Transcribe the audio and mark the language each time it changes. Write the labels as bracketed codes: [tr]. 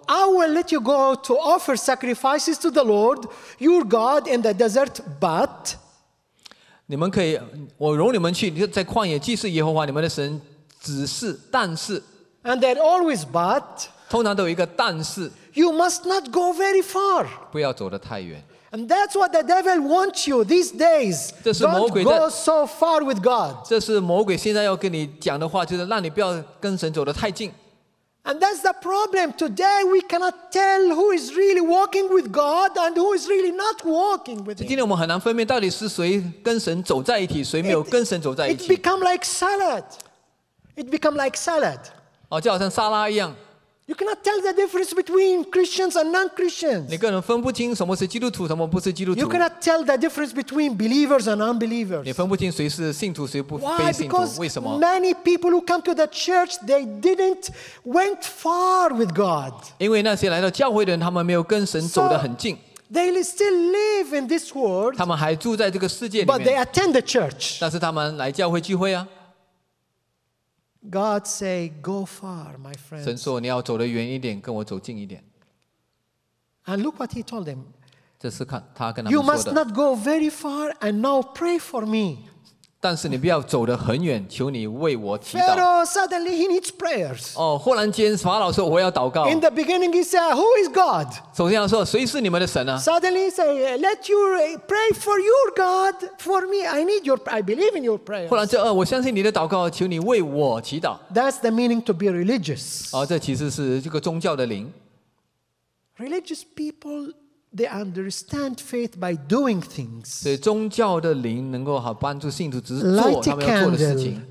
[en] I will let you go to offer sacrifices to the Lord, your God, in the desert, but [zh] 你们可以，我容你们去，在旷野祭祀耶和华你们的神，只是，但是 [en] And that always but [zh] 通常都有一个但是 [en] You must not go very far [zh] 不要走得太远 [en] And that's what the devil wants you these days [zh] 这是魔鬼 [en] Don't go so far with God [zh] 这是魔鬼现在要跟你讲的话，就是让你不要跟神走得太近 [en] And that's the problem. Today we cannot tell who is really walking with God and who is really not walking with Him. [zh] 今天我们很难分辨到底是谁跟神走在一起，谁没有跟神走在一起。 [en] It become like salad. [zh] 就好像撒拉一样。 [en] You cannot tell the difference between Christians and non-Christians. [zh] 你个人分不清什么是基督徒，什么不是基督徒。 [en] You cannot tell the difference between believers and unbelievers. [zh] 你分不清谁是信徒，谁不非信徒。 [en] Why? Because [zh] 为什么 [en] many people who come to the church, they didn't went far with God. [zh] 因为那些来到教会的人，他们没有跟神走得很近。 [en] They still live in this world. [zh] 他们还住在这个世界里面。 [en] But they attend the church. [zh] 但是他们来教会聚会啊。 [en] God say, "Go far, my friends." [zh] 神说你要走得远一点，跟我走近一点。 [en] And look what He told them. [zh] 这是看他跟他们说的。 [en] You must not go very far, and now pray for me. [zh] 但是你不要走得很远，求你为我祈祷。 [en] Pharaoh suddenly he needs prayers. [zh] 哦，忽然间法老说我要祷告。 [en] In the beginning he said, "Who is God?" [zh] 首先要说谁是你们的神呢、啊、 [en] ？Suddenly he say, "Let you pray for your God for me. I need your, I believe in your prayers." [zh] 忽然间，我相信你的祷告，求你为我祈祷。 [en] That's the meaning to be religious. [zh] 哦，这其实是这个宗教的灵。 [en] Religious people. They understand faith by doing things. [zh] 所以宗教的灵能够好帮助信徒，只是做 [en] light a candle, [zh] 他们要做的事情。